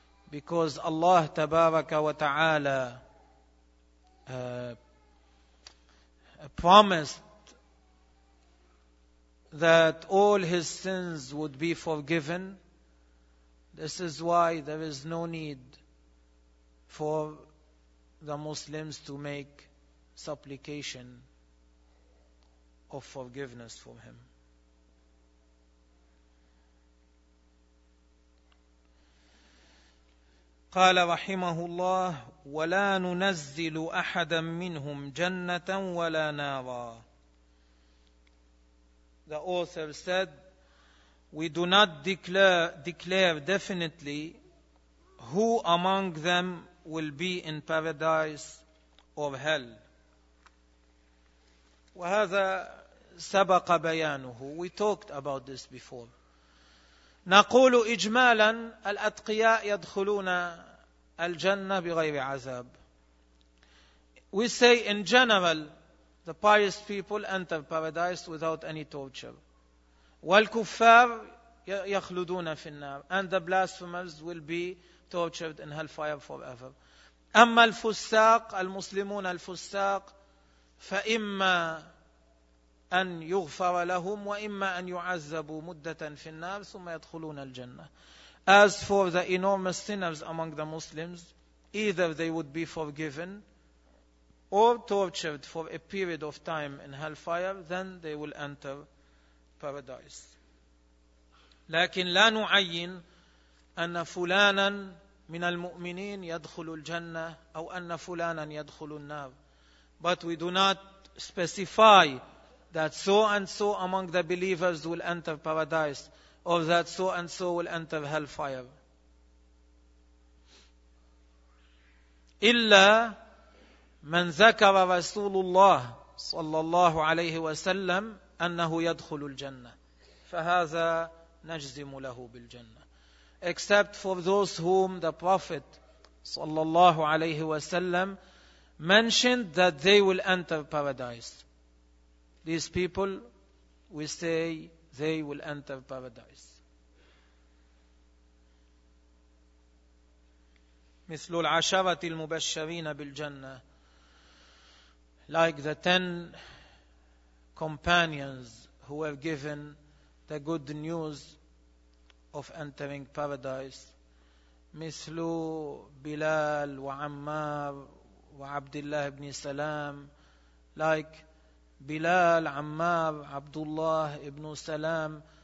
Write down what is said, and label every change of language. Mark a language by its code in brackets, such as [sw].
[en] Because Allah [ar] تبارك وتعالى [en] promised that all his sins would be forgiven. This is why there is no need for the Muslims to make supplication of forgiveness for him. [ar] قال رحمه الله ولا ننزل أحدا منهم جنة ولا نارا. [en] The author said, we do not declare definitely who among them will be in paradise or hell. [ar] وهذا سبق بيانه. [en] We talked about this before. [ar] نقول إجمالا الأتقياء يدخلون الجنة بغير عذاب. [en] We say in general, the pious people enter paradise without any torture. [ar] والكفار يخلدون في النار. [en] And the blasphemers will be tortured in hellfire forever. [ar] أما الفساق المسلمون الفساق فإما أن يغفر لهم وإما أن يعذبوا مدة في النار ثم يدخلون الجنة. [en] As for the enormous sinners among the Muslims, either they would be forgiven or tortured for a period of time in hellfire, then they will enter paradise. [ar] لكن لا نعين أن فلانا من المؤمنين يدخل الجنة أو أن فلانا يدخل النار. [en] But we do not specify that so and so among the believers will enter paradise or that so and so will enter hellfire. [ar] إلا من ذكر رسول الله صلى الله عليه وسلم أنه يدخل الجنة فهذا نجزم له بالجنة. [en] Except for those whom the Prophet [ar] صلى الله عليه وسلم [en] mentioned that they will enter paradise. These people, we say, they will enter paradise. [ar] مثل العشرة المبشرين بالجنة. [en] Like the 10 companions who were given the good news of entering paradise. [ar] مثل بلال وعمار وعبد الله بن سلام. [en] Like بلال, عمار, عبد الله بن سلام.